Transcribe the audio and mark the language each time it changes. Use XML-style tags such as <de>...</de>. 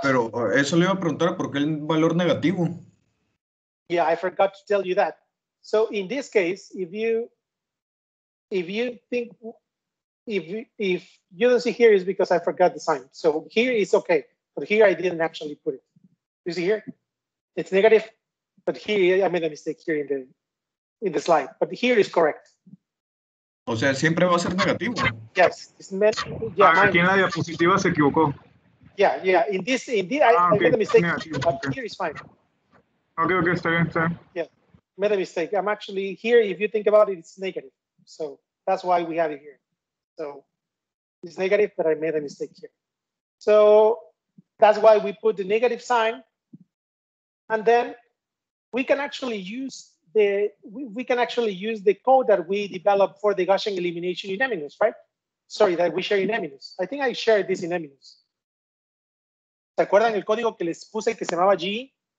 <es>Pero eso le iba a preguntar, ¿por qué el valor negativo?</es> <en>Yeah, I forgot to tell you that. So in this case, if you think, if you don't see here, it's because I forgot the sign. So here is okay, but here I didn't actually put it. You see here? It's negative. But here, I made a mistake here in the slide, but here is correct.</en> <es>O sea, siempre va a ser negativo.</es> <en>Yes.</en> <es>Aquí en la diapositiva se equivocó.</es> <en>Yeah. I made a mistake, here is fine.</en> <es>Okay, está bien, está bien.</es> <en>Yeah, made a mistake. I'm actually here, if you think about it, it's negative. So that's why we have it here. So it's negative, but I made a mistake here. So that's why we put the negative sign, and then we can actually use the code that we developed for the Gaussian elimination in Eminus, right? Sorry, that we share in Eminus. I think I shared this in Eminus.</en> <es>¿Se acuerdan el código que les puse que se llamaba G?</es>